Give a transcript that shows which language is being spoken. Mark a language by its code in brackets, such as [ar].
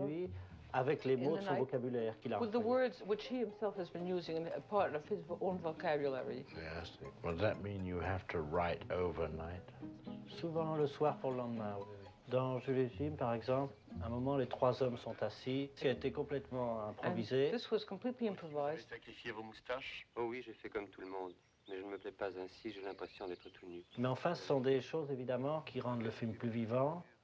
[fr] la nuit avec les mots de son vocabulaire qu'il a [en] with the words which he himself has been using a part of his own vocabulary. Yes. Well, that mean you have to write overnight? [fr] Souvent le soir pour le lendemain. Oui, oui. Dans Jules Jim, par exemple, à un moment les trois hommes sont assis, qui a été complètement improvisé. [en] And this was completely improvised. [fr] Sacrifier vos moustaches? Oh oui, j'ai fait comme tout le monde. Mais je ne me plais pas ainsi. J'ai l'impression d'être tout nu. Mais enfin, ce sont des choses évidemment qui rendent le film plus vivant.